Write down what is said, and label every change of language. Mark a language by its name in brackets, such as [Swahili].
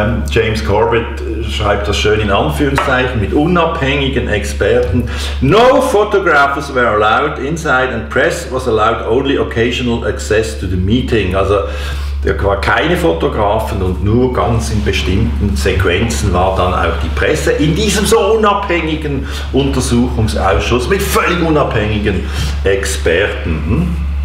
[German] James Corbett schreibt das schön in Anführungszeichen, mit unabhängigen Experten. [English] No photographers were allowed inside and press was allowed only occasional access to the meeting. [German] Also da war keine Fotografen und nur ganz in bestimmten Sequenzen war dann auch die Presse in diesem so unabhängigen Untersuchungsausschuss mit völlig unabhängigen Experten.